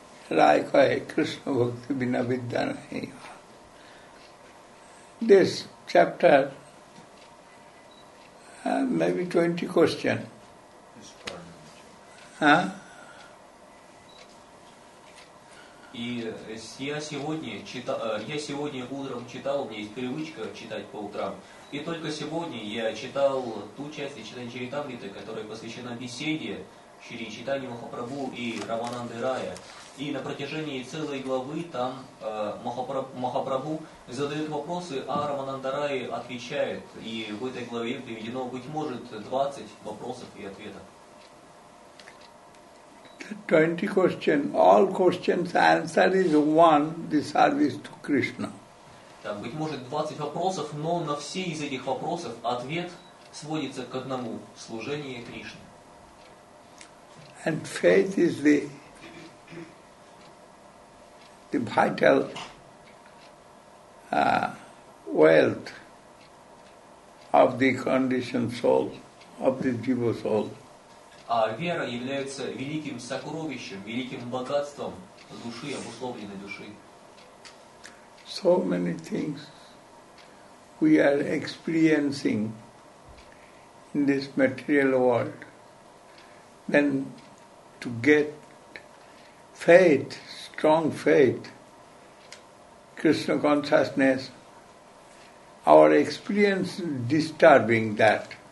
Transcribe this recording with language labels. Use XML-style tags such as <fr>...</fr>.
<bn>Rai kahe Krishna bhakti bina vidya nahi.</bn> <en>This chapter, maybe 20 questions. This part of the chapter. Huh?</en> <ru>И я сегодня утром читал, у меня есть привычка читать по утрам. И только сегодня я читал ту часть Чайтанья Чаритамриты, которая посвящена беседе Шри Чайтаньи Махапрабху и Рамананды Рая. И на протяжении целой главы там Махапрабху задает вопросы, а Рамананда Рая отвечает. И в этой главе приведено, быть может, 20 вопросов и ответов.</ru> <en>20 question, all questions answer is one, the service to Krishna.</en> <ru>Так, быть может, 20 вопросов, но на все из этих вопросов ответ сводится к одному, служение Кришне.</ru> <en>And faith is the vital wealth of the conditioned soul, of the jiva soul.</en> <ru>А вера является великим сокровищем, великим богатством души, обусловленной души.</ru> <en>So many things we are experiencing in this material world. Then to get faith, strong faith, Krishna consciousness, our experience disturbing that.</en>